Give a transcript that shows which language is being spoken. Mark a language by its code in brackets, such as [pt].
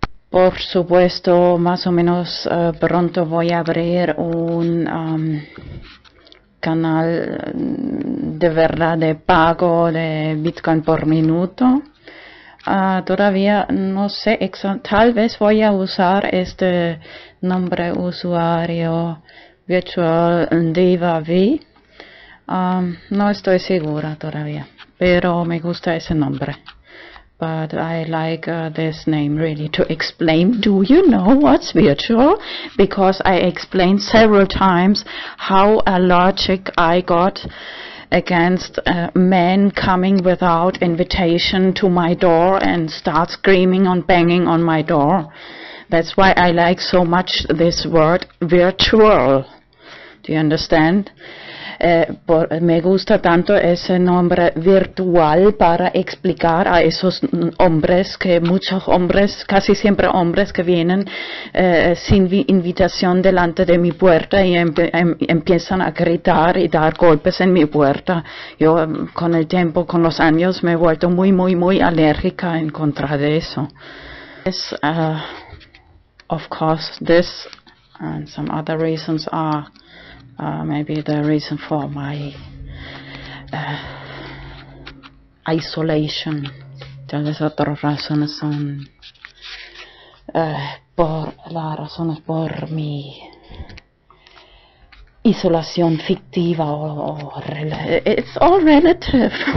[es] Por supuesto, más o menos pronto voy a abrir un canal de verdad de pago de Bitcoin por minuto. Todavía no sé, tal vez voy a usar este nombre usuario, Virtual Diva V. No estoy segura todavía, pero me gusta ese nombre. [en] But I like this name really to explain, do you know what's virtual? Because I explained several times how allergic I got against men coming without invitation to my door and start screaming and banging on my door. That's why I like so much this word virtual. Do you understand? [es] Me gusta tanto ese nombre virtual para explicar a esos hombres, que muchos hombres, casi siempre hombres, que vienen sin invitación delante de mi puerta y empiezan a gritar y dar golpes en mi puerta. Yo con el tiempo, con los años, me he vuelto muy, muy, muy alérgica en contra de eso. [en] Es, of course, this and some other reasons are maybe the reason for my isolation. [es] Tal vez otras razones son por las razones por mi isolación fictiva [en] or it's all relative.